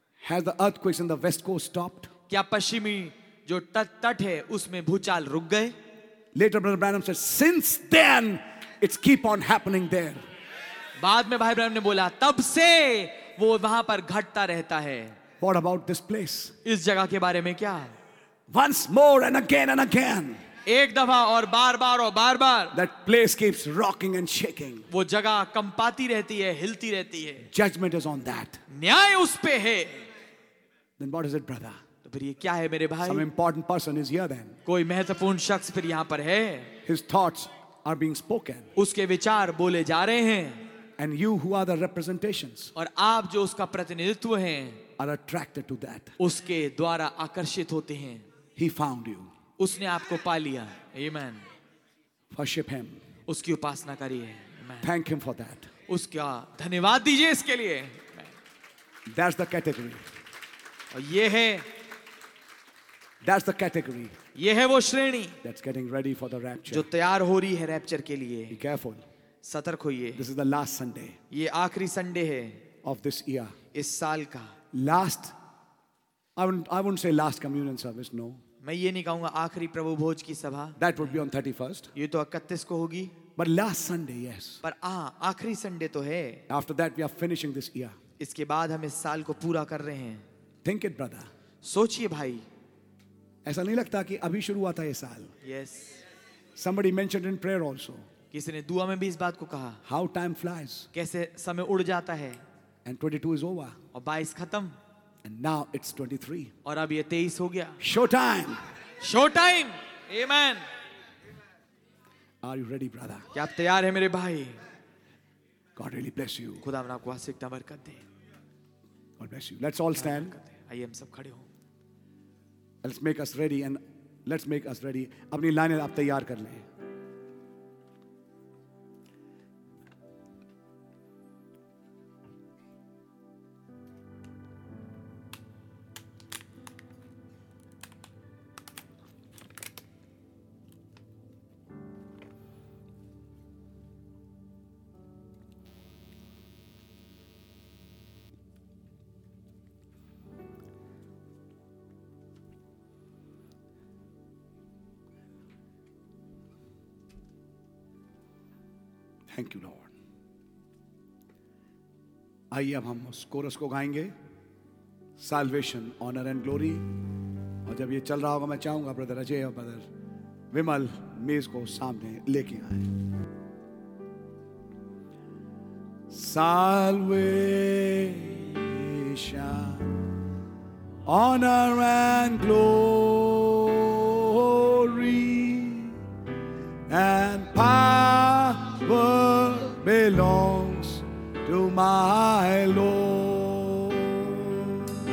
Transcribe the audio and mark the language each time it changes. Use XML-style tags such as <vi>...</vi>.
<en>Has the earthquake in the west coast stopped?</en> <hi>क्या पश्चिमी जो तट है उसमें भूचाल रुक गए?</hi> <en>Later, Brother Branham said, since then, it's keep on happening there.</en> <hi>बाद में भाई ब्रैनम ने बोला, तब से वो वहाँ पर घटता रहता है.</hi> <en>What about this place?</en> <hi>इस जगह के बारे में क्या?</hi> <en>Once more and again,</en> <hi>एक दफा और बार बार और बार बार.</hi> <en>That place keeps rocking and shaking.</en> <hi>वो जगह कंपाती रहती है, हिलती रहती है.</hi> <en>Judgment is on that.</en> <hi>न्याय उस पे है.</hi> <en>Then what is it, brother?</en> <hi>तो फिर ये क्या है मेरे भाई?</hi> <en>Some important person is here then.</en> <hi>कोई महत्वपूर्ण शख्स फिर यहाँ पर है.</hi> <en>His thoughts are being spoken.</en> <hi>उसके विचार बोले जा रहे हैं.</hi> <en>And you who are the representations.</en> <hi>और आप जो उसका प्रतिनिधित्व हैं.</hi> <en>Are attracted to that.</en> <hi>उसके द्वारा आकर्षित होते हैं.</hi> <en>He found you.</en> <hi>उसने आपको पा लिया. Amen.</hi> <en>Worship him.</en> <hi>उसकी उपासना करिए.</hi> <en>Thank him for that.</en> <hi>उसका धन्यवाद दीजिए इसके लिए.</hi> <en>That's the category.</en> <hi>ये है,</hi> <en>that's the category.</en> <hi>ये है वो श्रेणी,</hi> <en>that's getting ready for the rapture.</en> <hi>जो तैयार हो रही है रैप्चर के लिए.</hi> <en>Be careful.</en> <hi>सतर्क होइए.</hi> <en>This is the last Sunday.</en> <hi>ये आखिरी संडे है.</hi> <en>Of this year.</en> <hi>इस साल का.</hi> <en>Last. I wouldn't say last communion service. No.</en> <hi>मैं ये नहीं कहूँगा आखिरी प्रभु भोज की सभा.</hi> <en>That would be on 31st.</en> <hi>ये तो 31 को होगी.</hi> <en>But last Sunday, yes.</en> <hi>पर आखिरी संडे तो है.</hi> <en>After that, we are finishing this year.</en> <hi>इसके बाद हम इस साल को पूरा कर रहे हैं.</hi> <en>Think it, brother.</en> <hi>सोचिए भाई. ऐसा नहीं लगता कि अभी शुरू हुआ था ये साल?</hi> <en>Yes. Somebody mentioned in prayer also.</en> <hi>किसी ने दुआ में भी इस बात को कहा.</hi> <en>How time flies.</en> <hi>कैसे समय उड़ जाता है.</hi> <en>And 22 is over.</en> <hi>और 22 खत्म.</hi> <en>And now it's 23.</en> <hi>और अब ये 23 हो गया.</hi> <en>Showtime. Showtime. Amen. Are you ready, brother?</en> <hi>क्या आप तैयार हैं मेरे भाई?</hi> <en>God really bless you.</en> <hi>खुदा आपको आशीर्वाद बरकत दे.</hi> <en>God bless you. Let's all stand. Let's make us ready and let's make us ready.</en> <hi>अपनी लाइनें आप तैयार कर लें.</hi> <en>Thank you, Lord.</en> <hi>आइए अब हम उस कोरस को गाएंगे, Salvation, Honor and Glory. और जब ये चल रहा होगा मैं चाहूंगा ब्रदर अजय और ब्रदर विमल मेज को सामने लेके आए.</hi> <en>Salvation, Honor and Glory and Power belongs to my Lord.</en>